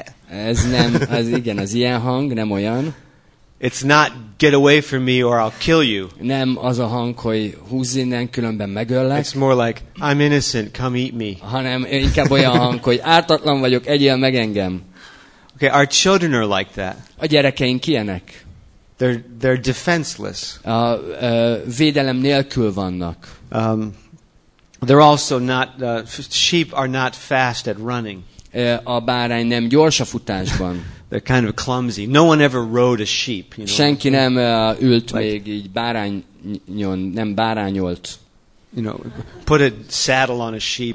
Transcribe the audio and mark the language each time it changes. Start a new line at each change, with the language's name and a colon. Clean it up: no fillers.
Hungarian: Ez nem, az igen, az ilyen hang, nem olyan.
English: It's not get away from me or I'll kill you.
Hungarian: Nem az a hang, hogy húzz innen, különben megöllek.
English: It's more like I'm innocent, come eat me.
Hungarian: Hanem inkább olyan hang, hogy ártatlan vagyok, egyél meg engem.
English: Okay, our children are like that.
Hungarian: A gyerekeink ilyenek.
English: They're defenseless.
Hungarian: Védelem nélkül vannak.
English: They're also not sheep are not fast at running.
Hungarian: A bárány nem gyors a futásban.
English: They're kind of clumsy. No one ever rode a sheep, you know.
Hungarian: Senki nem ült like, még így bárányon, nem bárányolt.
English: You know, put a saddle on a sheep.